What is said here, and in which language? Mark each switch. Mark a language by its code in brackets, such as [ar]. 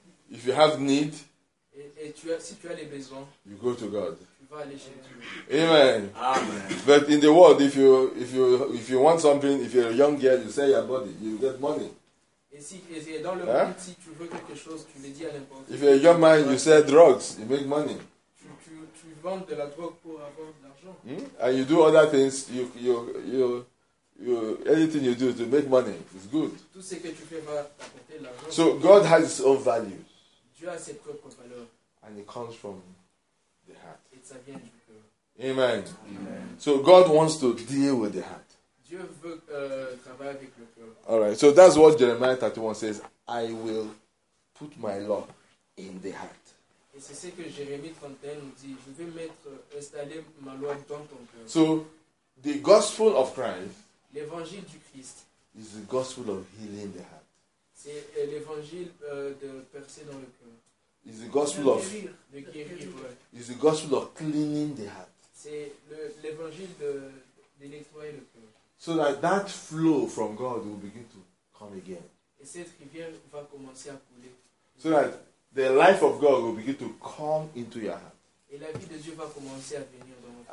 [en] If you have need, you go to God. Amen. But in the world, if you want something, if you're a young girl, you sell your body, you get money. If you're a young man, you sell drugs, you make money. [fr] Tu vends de la drogue pour avoir de l'argent. [en] And you do other things, you anything you do to make money is good. [fr] Tout ce que tu fais va t'apporter de l'argent. [en] So God has his own values. [fr] Dieu a ses propres valeurs. [en] And it comes from the heart. [fr] Et ça vient du cœur. [en] Amen. Amen. So God wants to deal with the heart. [fr] Dieu veut travailler avec le cœur. [en] All right. So that's what Jeremiah 31 says, I will put my law in the heart. [fr] Et c'est ce que Jérémie 31 nous dit, je vais installer ma loi dans ton cœur. [en] So the gospel of Christ, [fr] l'évangile du Christ, [en] is the gospel of healing the heart. [fr] C'est l'évangile de percer dans le cœur. [en] Is the gospel [fr] de guérir. [en] Of is the gospel of cleaning the heart. [fr] C'est l'évangile de nettoyer le cœur. [en] So that flow from God will begin to come again. [fr] Et cette rivière va commencer à couler. [en] So that the life of God will begin to come into your heart. [fr] Et la vie de Dieu va commencer à venir dans votre.